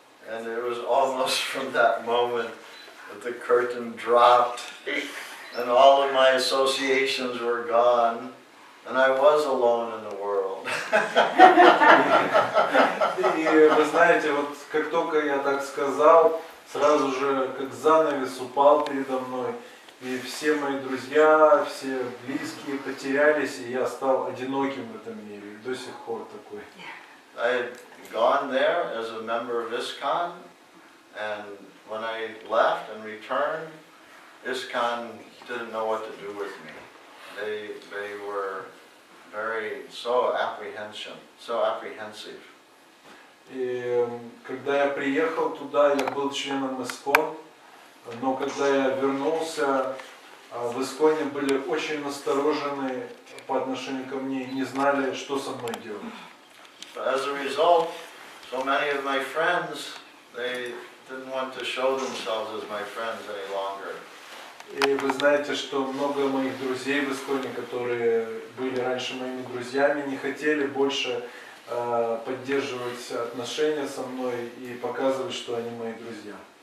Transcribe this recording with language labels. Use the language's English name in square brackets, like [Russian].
[English] And it was almost from that moment that the curtain dropped and all of my associations were gone and I was alone in the world. [Russian] И вы знаете, вот как только я так сказал, сразу же как занавес упал передо мной, и все мои друзья, все близкие потерялись, и я стал одиноким в этом мире. И до сих пор такой. [English] I had gone there as a member of ISKCON, and when I left and returned, ISKCON didn't know what to do with me. They were very so apprehensive. [Russian] И когда я приехал туда, я был членом ISKCON, но когда я вернулся, в ИСКОНе были очень насторожены по отношению ко мне, не знали, что со мной делать. [English] But as a result, so many of my friends, they didn't want to show themselves as my friends any longer. [Russian] И вы знаете, что много моих друзей в ИСКОНе, которые были раньше моими друзьями, не хотели больше поддерживать отношения со мной и показывать, что они мои друзья.